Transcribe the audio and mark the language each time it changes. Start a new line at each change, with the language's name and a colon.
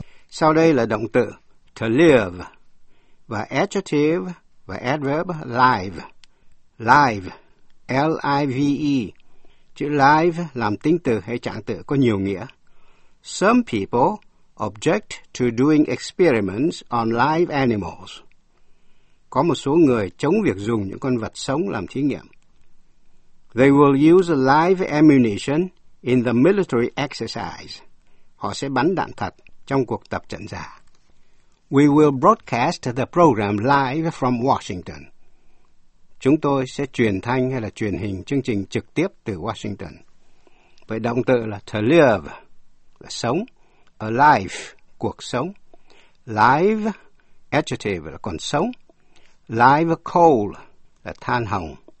Vietnamese: Sau đây là động từ to live và adjective và adverb live. Live, L-I-V-E. Chữ live làm tính từ hay trạng từ có nhiều nghĩa.
English: Some people object to doing experiments on live animals.
Vietnamese: Có một số người chống việc dùng những con vật sống làm thí nghiệm.
English: They will use live ammunition in the military exercise.
Vietnamese: Họ sẽ bắn đạn thật trong cuộc tập trận giả.
English: We will broadcast the program live from Washington.
Vietnamese: Chúng tôi sẽ truyền thanh hay là truyền hình chương trình trực tiếp từ Washington. Vậy động từ là to live, là sống. Alive, cuộc sống. Live, adjective, là còn sống. Live coal, là than hồng.